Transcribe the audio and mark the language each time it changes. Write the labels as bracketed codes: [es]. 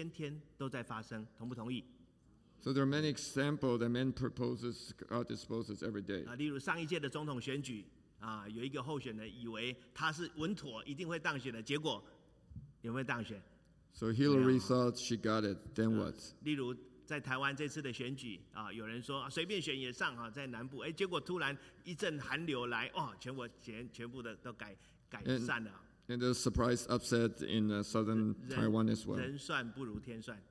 [zh] 其实人算不如天算的例子，天天都在发生，同不同意？ [en] So there are many examples that man proposes, God disposes every day. [zh] 例如上一届的总统选举，有一个候选人以为他是稳妥，一定会当选的，结果有没有当选？ [en] So Hillary thought she got it. Then what? [zh] 例如。在台湾这次的选举，有人说随便选也上，在南部，结果突然一阵寒流来，全部都改善了。 [en] And the surprise upset in southern Taiwan as well.